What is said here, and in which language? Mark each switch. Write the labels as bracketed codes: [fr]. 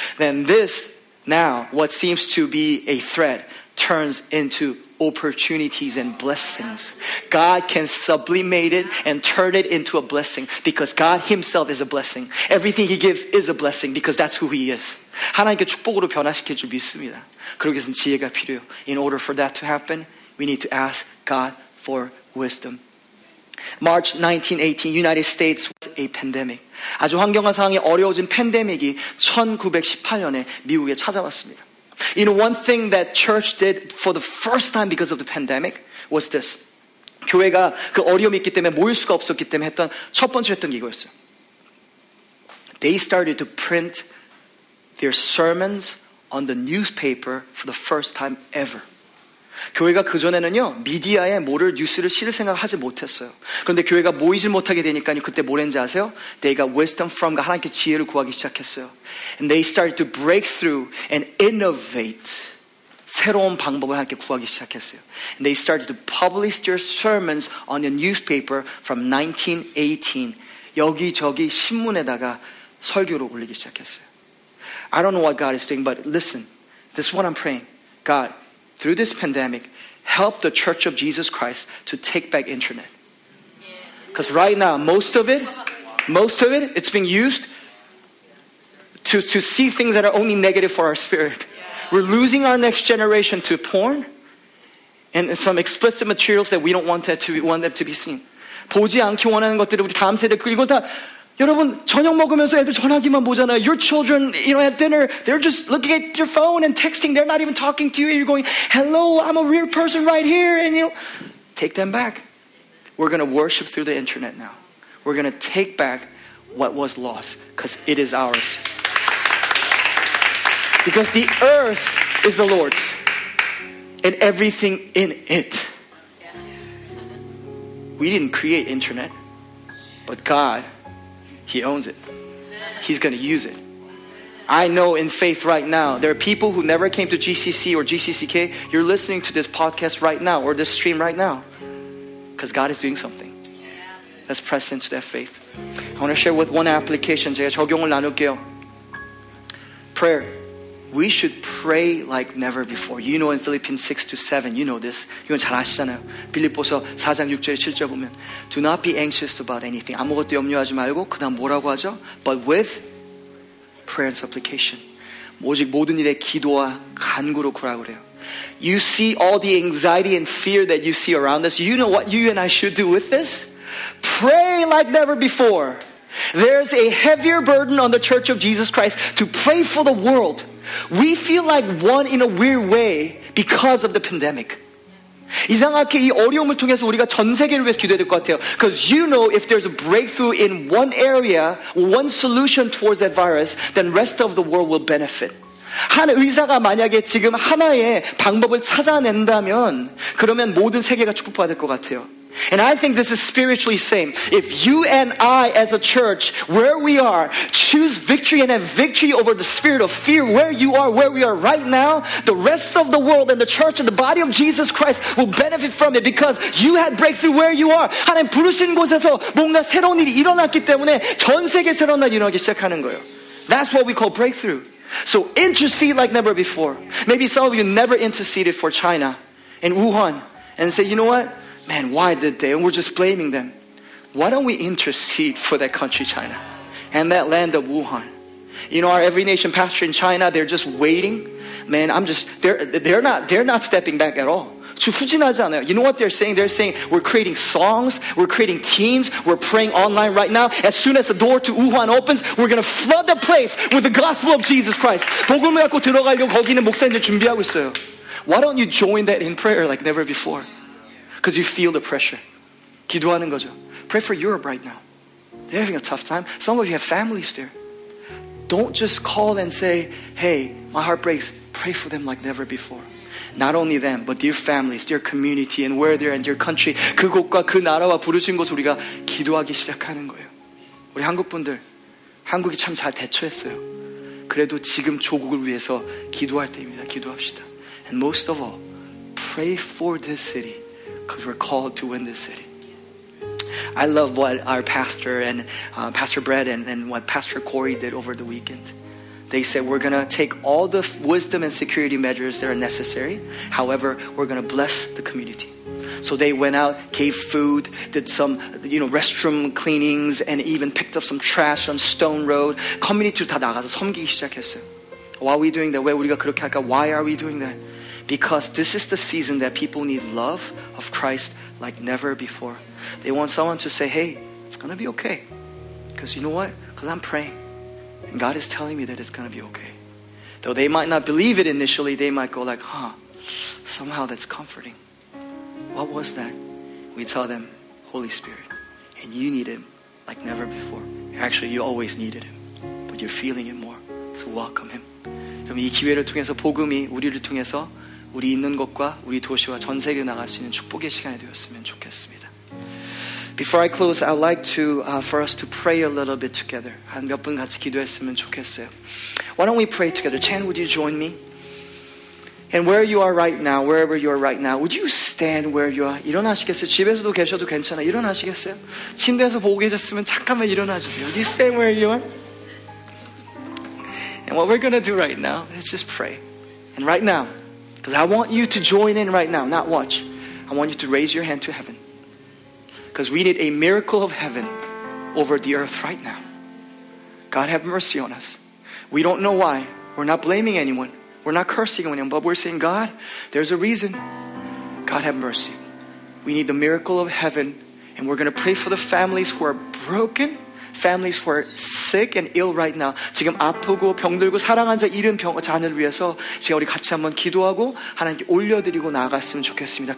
[en] Then this, now, what seems to be a threat turns into opportunities and blessings. God can sublimate it and turn it into a blessing because God himself is a blessing. Everything he gives is a blessing because that's who he is. [ko] 하나님께 축복으로 변화시켜 줄 믿습니다. 그러기에는 지혜가 필요해요. [en] In order for that to happen, we need to ask God for wisdom. March 1918, United States was a pandemic. [ko] 아주 환경과 상황이 어려워진 팬데믹이 1918년에 미국에 찾아왔습니다. [en] You know, one thing that church did for the first time because of the pandemic was this. [ko] 교회가 그 어려움이 있기 때문에 모일 수가 없었기 때문에 했던 첫 번째 했던 게 이거였어요. [en] They started to print their sermons on the newspaper for the first time ever. [ko] 교회가 그전에는요, 미디어에 모를 뉴스를 실을 생각하지 못했어요. 그런데 교회가 모이질 못하게 되니까 그때 뭘 했는지 아세요? [en] They got wisdom from God. [ko] 하나님께 지혜를 구하기 시작했어요. [en] And they started to break through and innovate. [ko] 새로운 방법을 함께 구하기 시작했어요. [en] And they started to publish their sermons on the newspaper from 1918. [ko] 여기저기 신문에다가 설교를 올리기 시작했어요. [en] I don't know what God is doing, but listen, this is what I'm praying. God, through this pandemic, help the Church of Jesus Christ to take back internet. Because right now, most of it, it's being used to see things that are only negative for our spirit. We're losing our next generation to porn and some explicit materials that we don't want them to be seen. [ko] 보지 않기 원하는 것들이 우리 다음 세대 그리고 다 여러분 저녁 먹으면서 애들 전화기만 보잖아요. [en] Your children, you know, at dinner, they're just looking at your phone and texting. They're not even talking to you. You're going, "Hello, I'm a real person right here." And you know, take them back. We're going to worship through the internet now. We're going to take back what was lost because it is ours. Because the earth is the Lord's and everything in it. We didn't create internet, but God, He owns it. He's going to use it. I know in faith right now, there are people who never came to GCC or GCCK. You're listening to this podcast right now or this stream right now because God is doing something. Let's press into that faith. I want to share with one application. [ko] 제가 적용을 나눌게요. [en] Prayer. We should pray like never before. You know in Philippians 6 to 7, you know this. [ko] 이건 잘 아시잖아요. 빌립보서 4장 6절 7절 보면 [en] Do not be anxious about anything. [ko] 아무것도 염려하지 말고 그 다음 뭐라고 하죠? [en] But with prayer and supplication. [ko] 오직 모든 일에 기도와 간구로 구하라 그래요. [en] You see all the anxiety and fear that you see around us. You know what you and I should do with this? Pray like never before. There's a heavier burden on the Church of Jesus Christ to pray for the world. We feel like one in a weird way because of the pandemic. [ko] 이상하게 이 어려움을 통해서 우리가 전 세계를 위해서 기도해야 될 것 같아요. [en] Because you know if there's a breakthrough in one area, one solution towards that virus, then rest of the world will benefit. [ko] 한 의사가 만약에 지금 하나의 방법을 찾아낸다면 그러면 모든 세계가 축복받을 것 같아요. [en] And I think this is spiritually same. If you and I as a church, where we are, choose victory and have victory over the spirit of fear, where you are, where we are right now, the rest of the world and the church and the body of Jesus Christ will benefit from it because you had breakthrough where you are. [ko] 하나님 부르신 곳에서 뭔가 새로운 일이 일어났기 때문에 전 세계 새로운 일이 일어나기 시작하는 거예요. [en] That's what we call breakthrough. So intercede like never before. Maybe some of you never interceded for China and Wuhan and say, you know what? Man, why did they? And we're just blaming them. Why don't we intercede for that country, China? And that land of Wuhan. You know, our Every Nation pastor in China, they're just waiting. Man, they're not stepping back at all. You know what they're saying? They're saying, we're creating songs, we're creating teams, we're praying online right now. As soon as the door to Wuhan opens, we're going to flood the place with the gospel of Jesus Christ. [ko] 복음을 갖고 들어가려고 거기 있는 목사님들 준비하고 있어요. [en] Why don't you join that in prayer like never before? Because you feel the pressure. [ko] 기도하는 거죠. [en] Pray for Europe right now. They're having a tough time. Some of you have families there. Don't just call and say, hey, my heart breaks. Pray for them like never before. Not only them, but their families, their community, and where they're in their country. [ko] 그 곳과 그 나라와 부르신 곳 우리가 기도하기 시작하는 거예요. 우리 한국분들, 한국이 참 잘 대처했어요. 그래도 지금 조국을 위해서 기도할 때입니다. 기도합시다. [en] And most of all, pray for this city. Because we're called to win this city. I love what our pastor and Pastor Brett and what Pastor Corey did over the weekend. They said, we're going to take all the wisdom and security measures that are necessary. However, we're going to bless the community. So they went out, gave food, did some, you know, restroom cleanings, and even picked up some trash on Stone Road. [ko] 커뮤니티로 다 나가서 섬기기 시작했어요. [en] Why are we doing that? [ko] 왜 우리가 그렇게 할까? [en] Why are we doing that? Because this is the season that people need love of Christ like never before. They want someone to say, hey, it's going to be okay. Because you know what? Because I'm praying. And God is telling me that it's going to be okay. Though they might not believe it initially, they might go like, huh, somehow that's comforting. What was that? We tell them, Holy Spirit, and you need Him like never before. Actually, you always needed Him, but you're feeling it more. So welcome him. [ko] 여러분 이 기회를 통해서 복음이 우리를 통해서 우리 있는 곳과 우리 도시와 전 세계로 나갈 수 있는 축복의 시간이 되었으면 좋겠습니다. [en] Before I close, I'd like to for us to pray a little bit together. [ko] 한 몇 분 같이 기도했으면 좋겠어요. [en] Why don't we pray together? Chan, would you join me? And where you are right now, wherever you are right now, would you stand where you are? [ko] 일어나시겠어요? 집에서도 계셔도 괜찮아. 일어나시겠어요? 침대에서 보고 계셨으면 잠깐만 일어나주세요. [en] Would you stand where you are? And what we're going to do right now is just pray. And right now, because I want you to join in right now, not watch. I want you to raise your hand to heaven. Because we need a miracle of heaven over the earth right now. God have mercy on us. We don't know why. We're not blaming anyone. We're not cursing anyone. But we're saying, God, there's a reason. God have mercy. We need the miracle of heaven. And we're going to pray for the families who are broken. Families who are sick and ill right now. [ko] 지금 아프고 병들고 사랑한 자 잃은 병 자녀를 위해서 제가 우리 같이 한번 기도하고 하나님께 올려드리고 나아갔으면 좋겠습니다.